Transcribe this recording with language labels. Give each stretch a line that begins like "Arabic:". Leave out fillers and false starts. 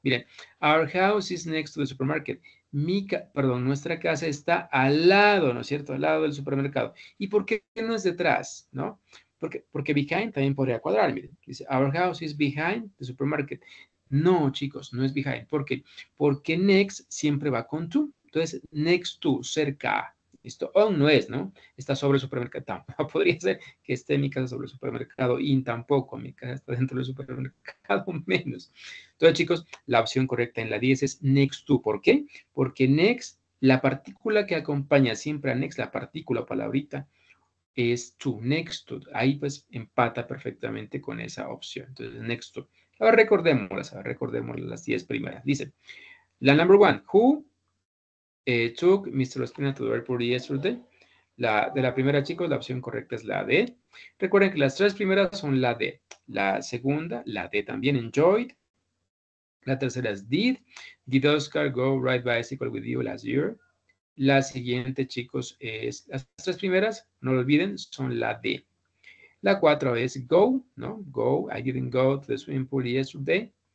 English: Miren, our house is next to the supermarket.
Spanish: Nuestra casa está al lado, ¿no es cierto? Al lado del supermercado. ¿Y por qué no es detrás? ¿No? Porque behind también podría cuadrar. Miren, dice,
English: our house is behind the supermarket.
Spanish: No, chicos, no es behind. ¿Por qué? Porque next siempre va con to. Entonces, next to, cerca. Listo, on no es, ¿no? Está sobre el supermercado. Tampoco podría ser que esté en mi casa sobre el supermercado. In tampoco, mi casa está dentro del supermercado menos. Entonces, chicos, la opción correcta en la 10 es next to. ¿Por qué? Porque next, la partícula que acompaña siempre a next, la partícula, palabrita, es to, next to. Ahí pues empata perfectamente con esa opción. Entonces, next to. Ahora recordémoslas, las 10 primeras. Dice, la number one,
English: who took Mr. Ospina to the airport yesterday?
Spanish: La de la primera, chicos, la opción correcta es la D. Recuerden que las tres primeras son la D. La segunda, la D también, enjoyed. La tercera es did.
English: Did Oscar go ride bicycle with you last year?
Spanish: La siguiente, chicos, es las tres primeras, no lo olviden, son la D. La cuatro es go, ¿no?
English: Go, I didn't go to the swimming pool yesterday.